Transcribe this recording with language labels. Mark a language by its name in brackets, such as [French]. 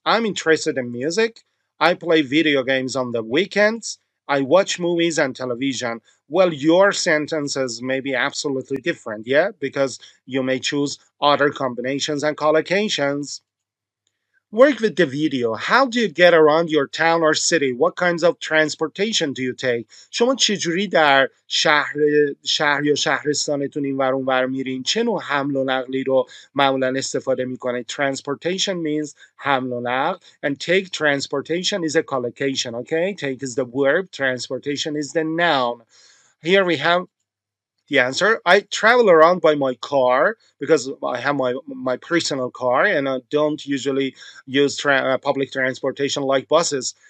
[English] I'm interested in music. I play video games on the weekends. I watch movies and television. Well, your sentences may be absolutely different, yeah? Because you may choose other combinations and collocations. Work with the video. How do you get around your town or city? What kinds of transportation do you take? [Persian] شما چجوری در شهر یا شهرستانتون این ور اون ور میرین؟ چه نوع حمل و نقلی رو معمولا استفاده میکنید؟ [English] Transportation means [Persian] حمل و نقل. [English] And take transportation is a collocation, okay? Take is the verb, transportation is the noun. Here we have the answer. I travel around by my car because I have my personal car and I don't usually use public transportation like buses.